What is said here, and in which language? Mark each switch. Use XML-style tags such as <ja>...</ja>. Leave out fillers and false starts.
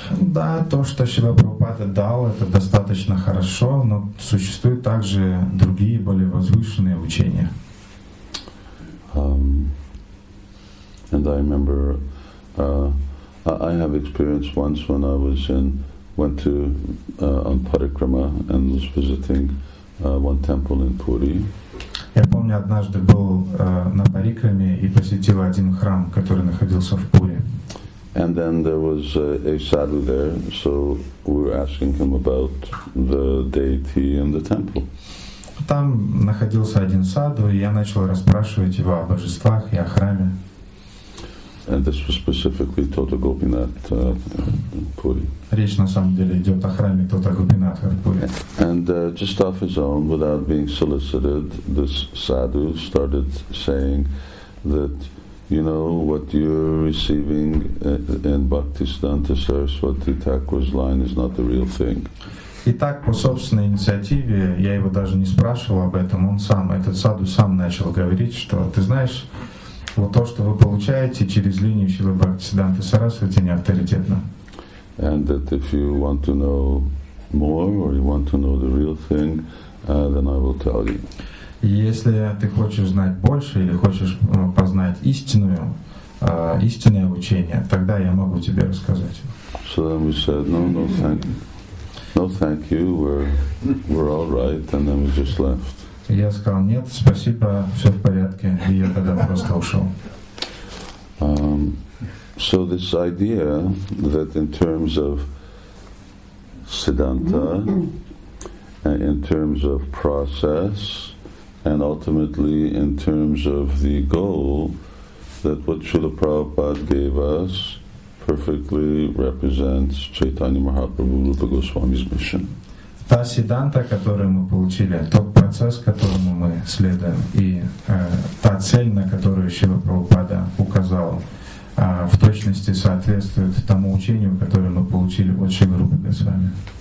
<ru>Да, то, что Шрила Прабхупада дал, это достаточно хорошо, но существуют также другие более возвышенные учения.</ru> <en>And I remember I have experienced once when I was in went to on parikrama and was visiting one temple in Puri.</en> <ru>Я помню помню, однажды был на Парикраме и посетил один храм, который находился в Пуре.</ru> <en>And then there was a sadhu there, so we were asking him about the deity and the temple.</en> <ru>Там находился один садху, и я начал расспрашивать его о божествах и о храме.</ru> <en>And this was specifically Tota Gopinath Puri.</en> <ru>Речь на самом деле идет о храме Тота Гопинатха в Пури.</ru> <en>And just off his own, without being solicited, this sadhu started saying that, you know, what you're receiving in Bhaktisiddhanta Saraswati Thakur's line is not the real thing.</en> <ru>И так, по собственной инициативе, я его даже не спрашивал об этом, он сам, этот садху сам начал говорить, что, ты знаешь, вот то, что вы получаете через линию Шрилы Бхактисиддханты Сарасвати, не авторитетно.</ru> <en>And that if you want to know more, or you want to know the real thing, then I will tell you.</en> <ru>Если ты хочешь знать больше или хочешь познать истинную, истинное учение, тогда я могу тебе рассказать.</ru> <en>So then we said, no, thank you. No, thank you, we're all right, and then we just left.</en> <ru>Я сказал, нет, спасибо, все в порядке, и я тогда просто ушел.</ru> <en>So this idea that in terms of siddhanta, in terms of process, and ultimately in terms of the goal, that what Srila Prabhupada gave us perfectly represents Chaitanya Mahaprabhu Rupa Goswami's mission.</en> <ru>Та сиддханта, которую мы получили, тот процесс, которому мы следуем, и та цель, на которую Шрила Прабхупада указал, в точности соответствует тому учению, которое мы получили от Шрилы Рупы Госвами.</ru>